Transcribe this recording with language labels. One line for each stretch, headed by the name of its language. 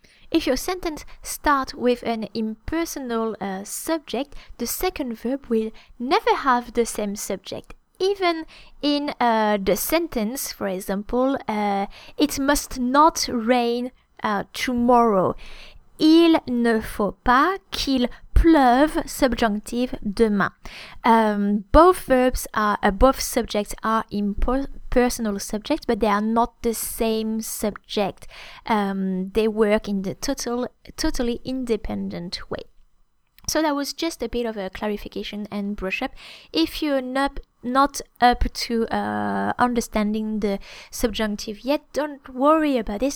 English: If your sentence starts with an impersonal subject, the second verb will never have the same subject. Even in the sentence, for example, it must not rain tomorrow.
French: Il ne faut pas qu'il pleuve, subjunctive, demain.
English: Both verbs are, both subjects are impersonal subjects, but they are not the same subject. They work in the totally independent way. So that was just a bit of a clarification and brush up. If you're not up to understanding the subjunctive yet, don't worry about this.